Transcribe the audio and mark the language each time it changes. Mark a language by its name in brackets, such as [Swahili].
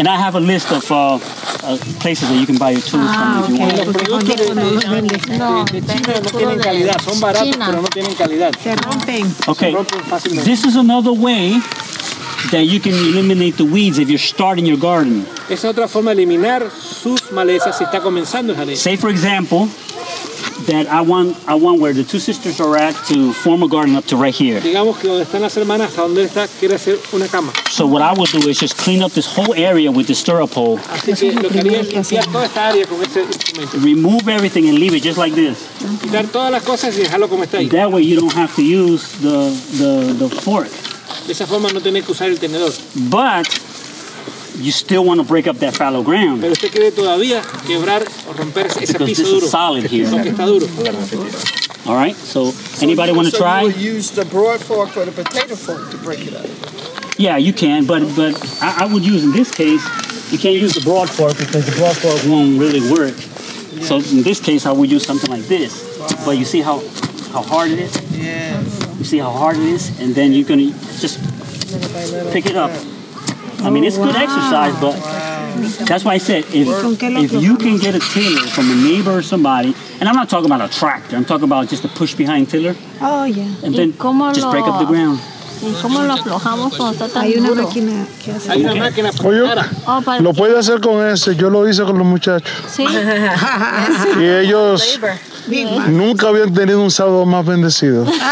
[English] And I have a list of places that you can buy your tools from if you want. [Spanish] No, de China no tienen calidad. Son baratos, China. Pero no tienen calidad. Se rompen. Okay. Se rompen fácilmente. [English] This is another way that you can eliminate the weeds if you're starting your garden. [Spanish] Es otra forma de eliminar sus malezas si está comenzando el jardín. [English] Say for example that I want where the two sisters are at to form a garden up to right here. [Spanish] Digamos que donde están las hermanas hasta donde está quiere hacer una cama. [English] So what I will do is just clean up this whole area with the stirrup pole. [Spanish] Así que lo que haría es limpiar toda esta área con este instrumento. [English] Remove everything and leave it just like this. [Spanish] Quitar todas las cosas y dejarlo como está ahí. [English] That way you don't have to use the fork. [Spanish] De esa forma no tenés que usar el tenedor. [English] But you still want to break up that fallow ground. [Spanish] Pero usted quiere todavía quebrar o romper ese [English] because [Spanish] piso [English] this [Spanish] duro. [English] Is solid here. [Spanish] Porque está duro. [English] All right. So anybody so want to try? So you will use the broad fork or the potato fork to break it up. Yeah, you can, but I would use in this case, you can't use the broad fork because the broad fork won't really work. Yeah. So in this case I would use something like this. Wow. But you see how how hard it is? Yes. Mm-hmm. You see how hard it is? And then you can just pick it up. I mean, it's good exercise, but that's why I said, if you can get a tiller from a neighbor or somebody, and I'm not talking about a tractor, I'm talking about just a push behind tiller. Oh, yeah. And then just break up the ground. [Spanish] ¿Y cómo lo aflojamos cuando está tan duro? Hay una máquina que hace. Oye, lo puede hacer con ese. Yo lo hice con los muchachos. Sí. Y ellos nunca habían tenido un sábado más bendecido.